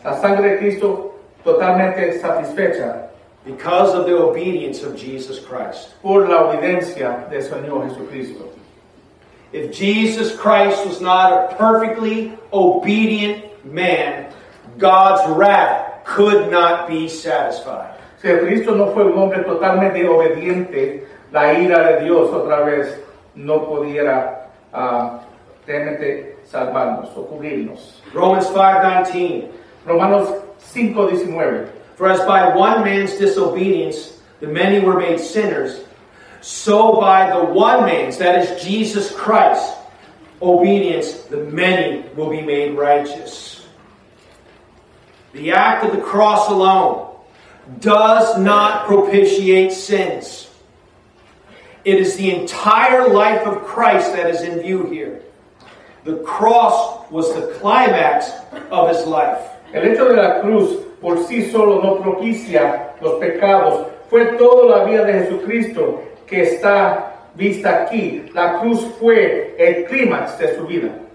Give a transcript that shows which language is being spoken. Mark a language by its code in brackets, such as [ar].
[es] La sangre de Cristo totalmente satisfecha. [en] Because of the obedience of Jesus Christ. [es] Por la obediencia del Señor Jesucristo. [en] If Jesus Christ was not a perfectly obedient man, God's wrath could not be satisfied. [es] Si Cristo no fue un hombre totalmente obediente, la ira de Dios otra vez no pudiera realmente salvarnos o cubrirnos. Romanos 5:19. [en] For as by one man's disobedience the many were made sinners, so by the one man's, that is Jesus Christ, obedience, the many will be made righteous. The act of the cross alone does not propitiate sins. It is the entire life of Christ that is in view here. The cross was the climax of his life. [es] El hecho de la cruz por sí solo no propicia los pecados. Fue toda la vida de Jesucristo que está vista aquí. La cruz fue el clímax de su vida.